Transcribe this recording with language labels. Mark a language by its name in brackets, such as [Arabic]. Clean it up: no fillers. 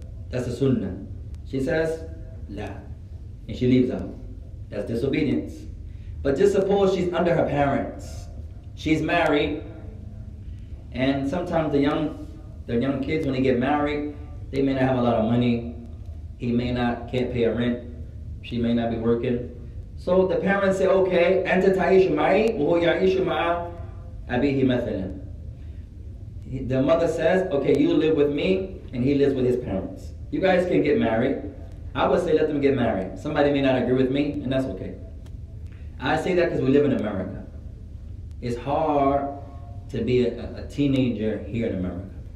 [English] That's a sunnah. She says, la. And she leaves out. That's disobedience. But just suppose she's under her parents. She's married. And sometimes the young kids, when they get married, they may not have a lot of money. He may not, can't pay a rent. She may not be working. So the parents say, okay, [Arabic] أنت تعيش معي وهو يعيش مع أبيه مثلا. [English] The mother says, okay, you live with me, and he lives with his parents. You guys can get married. I would say let them get married. Somebody may not agree with me, and that's okay. I say that because we live in America. It's hard to be a teenager here in America.